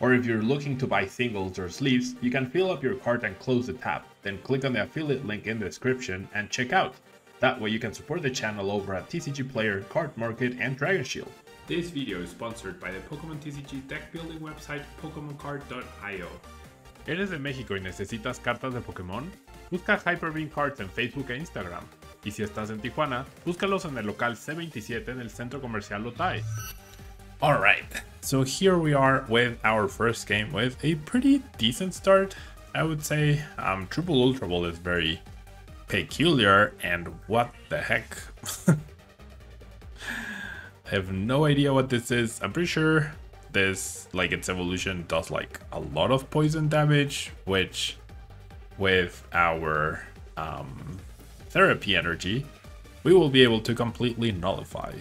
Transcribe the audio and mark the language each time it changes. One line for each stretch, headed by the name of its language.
English: Or if you're looking to buy singles or sleeves, you can fill up your cart and close the tab, then click on the affiliate link in the description and check out. That way you can support the channel over at TCG Player, Card Market, and Dragon Shield. This video is sponsored by the Pokemon TCG deck building website PokemonCard.io.
Spanish: ¿Eres de México y necesitas cartas de Pokémon? Busca Hyper Beam Cards en Facebook e Instagram. Y si estás en Tijuana, búscalos en el local C27 en el Centro Comercial Otay.
English: Alright, so here we are with our first game with a pretty decent start, I would say. Triple Ultra Ball is very peculiar, and what the heck? I have no idea what this is. I'm pretty sure this, like, its evolution does like a lot of poison damage, which with our therapy energy we will be able to completely nullify.